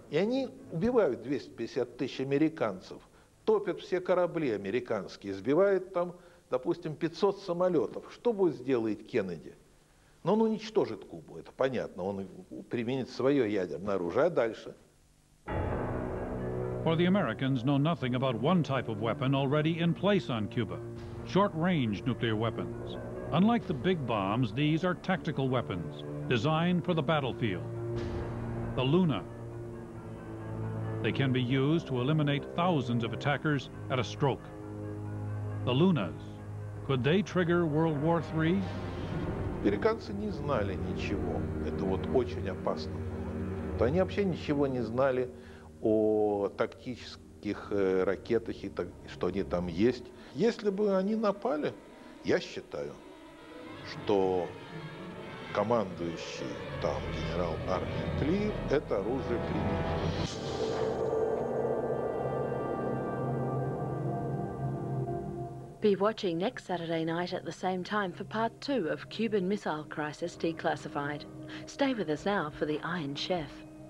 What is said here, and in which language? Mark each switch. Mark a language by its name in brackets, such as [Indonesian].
[Russian] И они убивают 250 тысяч американцев, топят все корабли американские, сбивают там, допустим, 500 самолетов. Что будет сделать Кеннеди? Но он уничтожит Кубу, это понятно. Он применит свое ядерное оружие. А дальше? [English] For the Americans know nothing about one type of weapon already in place on Cuba. Short-range nuclear weapons. Unlike the big bombs, these are tactical weapons designed for the battlefield. The Luna. They can be used to eliminate thousands of attackers at a stroke. The Lunas. Could they trigger World War III? [Russian] Американцы не знали ничего. Это вот очень опасно было. Они вообще ничего не знали о тактических ракетах и так, что они там есть. Если бы они напали, я считаю, что командующий там генерал армии Клиф это оружие принял. [English] Be watching next Saturday night at the same time for part two of Cuban Missile Crisis Declassified. Stay with us now for the Iron Chef.